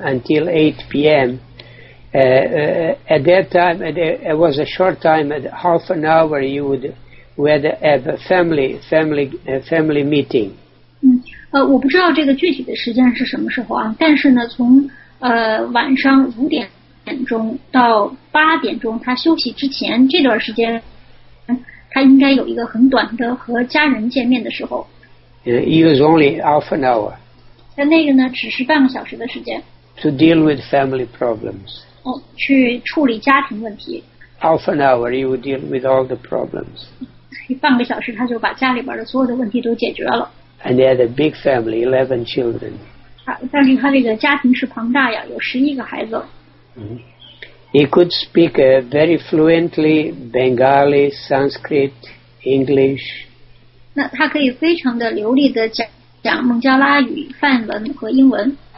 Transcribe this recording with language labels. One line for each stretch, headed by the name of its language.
English: until 8 p.m. At that time, it was a short time, at half an hour, you would have a family meeting.
Chinese: 我不知道这个具体的时间是什么时候啊，但是呢，从晚上五点钟到八点钟，他休息之前这段时间。他应该有一个很短的和家人见面的时候。
English: It was only half an hour.
Chinese: 但那个呢，只是半个小时的时间。
English: To deal with family problems.
Chinese: 去处理家庭问题。
English: Half an hour, he would deal with all the problems.
Chinese: 半个小时，他就把家里边的所有的问题都解决了。
English: And he had a big family, 11 children.
Chinese: 但是他这个家庭是庞大呀，有11个孩子。
English: He could speak very fluently Bengali, Sanskrit, English.
Chinese: 那他可以非常的流利的讲孟加拉语、梵文和英文。